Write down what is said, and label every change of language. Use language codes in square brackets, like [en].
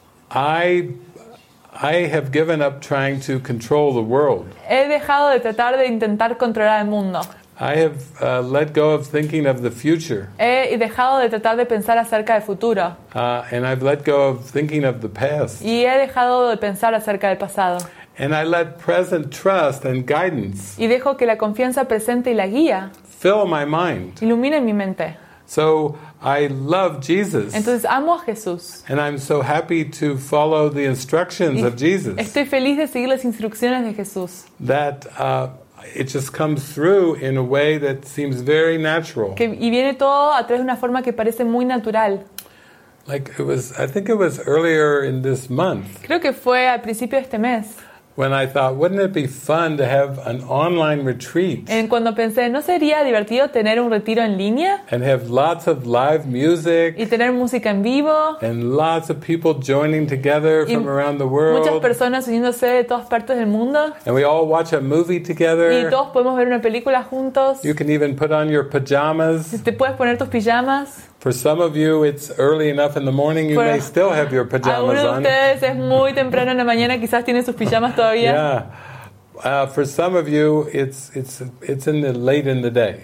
[en] I have given up trying to control the world. [es] He dejado de tratar de intentar controlar el mundo. [en] I have let go of thinking of the future. [es] He dejado de tratar de pensar acerca del futuro. [en] And I've let go of thinking of the past. [es] Y he dejado de pensar acerca del pasado. [en] And I let present trust and guidance. [es] Y dejo que la confianza presente y la guía [en] fill my mind. [es] Ilumine mi mente. [en] So I love Jesus. [es] Entonces amo a Jesús. [en] And I'm so happy to follow the instructions of Jesus. [es] Estoy feliz de seguir las instrucciones de Jesús. [en] That it just comes through in a way that seems very natural. [es] Que y viene todo a través de una forma que parece muy natural. [en] Like it was, I think it was earlier in this month. [es] Creo que fue al principio de este mes. [en] When I thought, wouldn't it be fun to have an online retreat? [es] En cuando pensé, ¿no sería divertido tener un retiro en línea? [en] And have lots of live music. [es] Y tener música en vivo. [en] And lots of people joining together from around the world. [es] Muchas personas uniéndose de todas partes del mundo. [en] And we all watch a movie together. [es] Y todos podemos ver una película juntos. [en] You can even put on your pajamas. [es] Te puedes poner tus pijamas. [en] For some of you, it's early enough in the morning, you may still have your pajamas on. [es] Algunos de ustedes es muy temprano en la mañana, quizás tienen sus pijamas todavía. [en] Yeah. For some of you, it's in the late in the day.